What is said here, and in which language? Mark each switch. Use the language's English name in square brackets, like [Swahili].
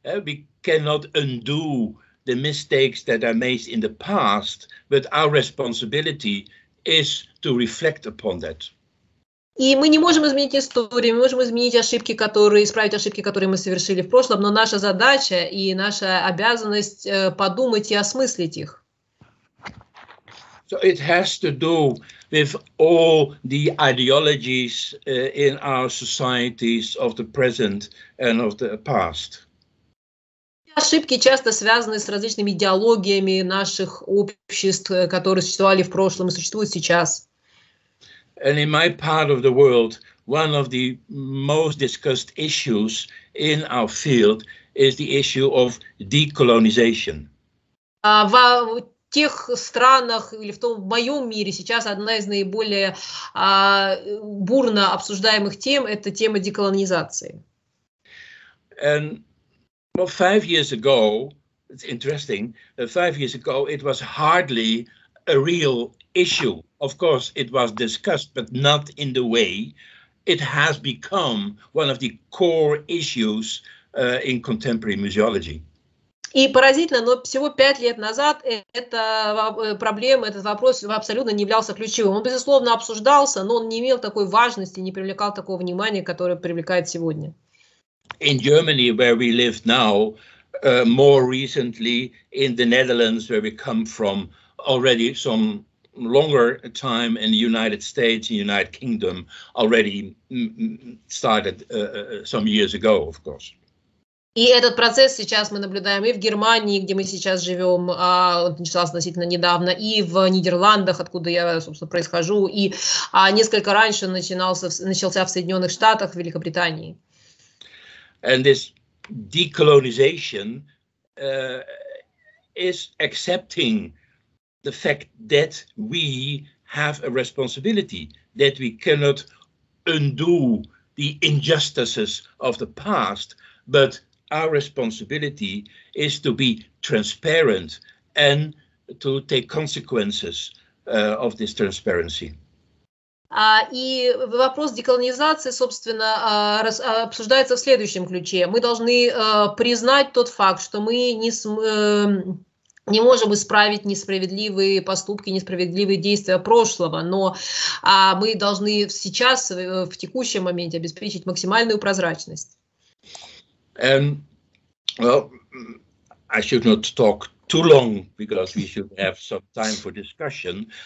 [English] We cannot undo the mistakes that are made in the past, but our responsibility is to reflect upon that. [Russian] И мы не можем изменить историю, мы можем изменить ошибки, которые исправить ошибки, которые мы совершили в прошлом, но наша задача и наша обязанность подумать и осмыслить их. [English] So it has to do with all the ideologies in our societies of the present and of the past. [Russian] Ошибки часто связаны с различными идеологиями наших обществ, которые существовали в прошлом и существуют сейчас. [English] And in my part of the world, one of the most discussed issues in our field is the issue of decolonization. [Russian] В тех странах или в том в моем мире сейчас одна из наиболее бурно обсуждаемых тем – это тема деколонизации. [English] And, well, 5 years ago, it's interesting, 5 years ago it was hardly a real issue. Of course, it was discussed, but not in the way it has become one of the core issues in contemporary museology. [Russian] И поразительно, но всего 5 лет назад эта проблема, этот вопрос абсолютно не являлся ключевым. Он, безусловно, обсуждался, но он не имел такой важности, не привлекал такого внимания, которое привлекает сегодня. [English] In Germany, where we live now, more recently in the Netherlands, where we come from, already some longer time in the United States and United Kingdom, already started some years ago, of course. [Russian] И этот процесс сейчас мы наблюдаем и в Германии, где мы сейчас живем, он начался относительно недавно, и в Нидерландах, откуда я, собственно, происхожу, и несколько раньше начался в Соединенных Штатах, в Великобритании. [English] And this decolonization is accepting the fact that we have a responsibility, that we cannot undo the injustices of the past, but our responsibility is to be transparent and to take consequences of this transparency. [Russian] И вопрос деколонизации, собственно, обсуждается в следующем ключе. Мы должны признать тот факт, что мы не можем исправить несправедливые поступки, несправедливые действия прошлого, но мы должны сейчас, в текущем моменте, обеспечить максимальную прозрачность. [English] Well, I should not talk too long, because we should have some time for discussion.